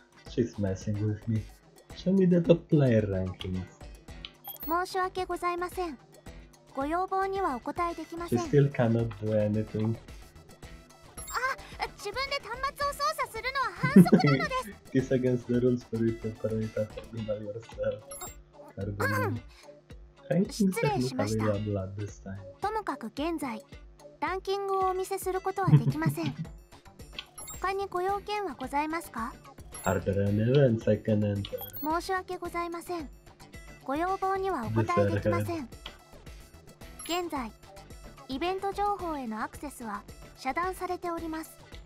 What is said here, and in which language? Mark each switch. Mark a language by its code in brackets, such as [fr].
[en] She's messing with me. Show me the top player rankings. [ja] 申し訳ございません。ご要望にはお答えできません。 [en] She still cannot do anything. [ja] 自分で端末を操作するのは反則なのです。 [en] This is against the rules for you to operate a computer by yourself. [ja] カルボニア。失礼しました。ともかく現在、ランキングをお見せすることはできません。他にご用件はございますか？ [en] Are there any events I can enter? [ja] 申し訳ございません。ご要望にはお答えできません。現在、イベント情報へのアクセスは遮断されております。